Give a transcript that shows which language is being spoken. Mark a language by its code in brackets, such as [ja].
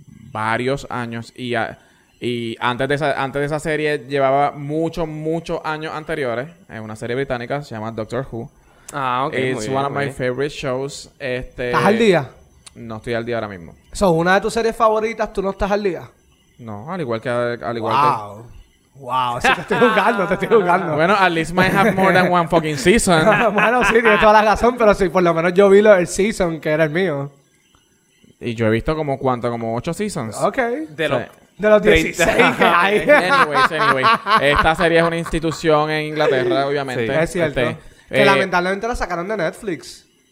[es] varios años y antes de esa serie llevaba muchos años anteriores en una serie británica, se llama Doctor Who. Ah, ok. [en] It's [es] muy bien, [en] one of my favorite shows. [es] ¿Estás al día? No estoy al día ahora mismo. ¿So una de tus series favoritas, tú no estás al día? No, al igual wow. Que... wow, sí, te estoy jugando. [en] Bueno, at least might have more than one fucking season. [es] Bueno, sí, tienes toda la razón, pero sí, por lo menos yo vi el season que era el mío. Y yo he visto como cuánto, como 8 seasons. Ok. De los 16 que hay. [en] Anyway. [es] Esta serie es una institución en Inglaterra, obviamente. Sí, es cierto. Lamentablemente la sacaron de Netflix.